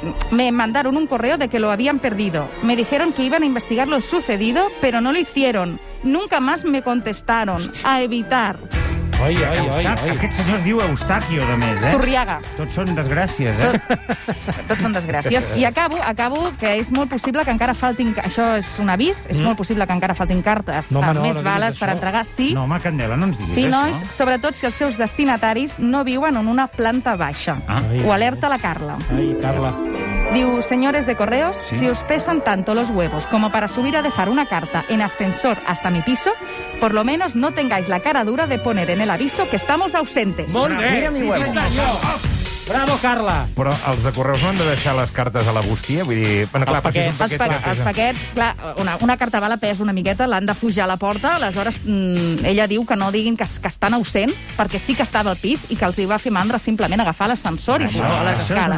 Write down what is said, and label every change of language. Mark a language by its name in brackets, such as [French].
[Spanish] Me mandaron un correo de que lo habían perdido. Me dijeron que iban a investigar lo sucedido, pero no lo hicieron. Nunca más me contestaron. A evitar. [Catalan] Ai. Aquest senyor es diu Eustaquio, de més, eh? Zurriaga. Tots són desgràcies, eh? Tots són desgràcies. I acabo, que és molt possible que encara faltin... Això és un avís, és molt possible que encara faltin cartes més bales per entregar. Sí. No, home, Candela, no ens diguis això. Sí, nois, sobretot si els seus destinataris no viuen en una planta baixa. Ho alerta la Carla. Ai, Carla. [Spanish] Diu, señores de Correos, si os pesan tanto los huevos como para subir a dejar una carta en ascensor hasta mi piso, por lo menos no tengáis la cara dura de poner en el aviso que estamos ausentes. [Catalan] Molt bé, [Spanish] mira mi huevo. [Catalan] Sí, senyor. Bravo, Carla. Però els de Correus no han de deixar les cartes a la bústia? Vull dir... Bueno, clar, els paquets, una carta va la pes una miqueta, l'han de pujar a la porta, aleshores ella diu que no diguin que estan ausents, perquè sí que estava al pis i que els hi va fer mandra simplement agafar l'ascensor i pujar a les escales.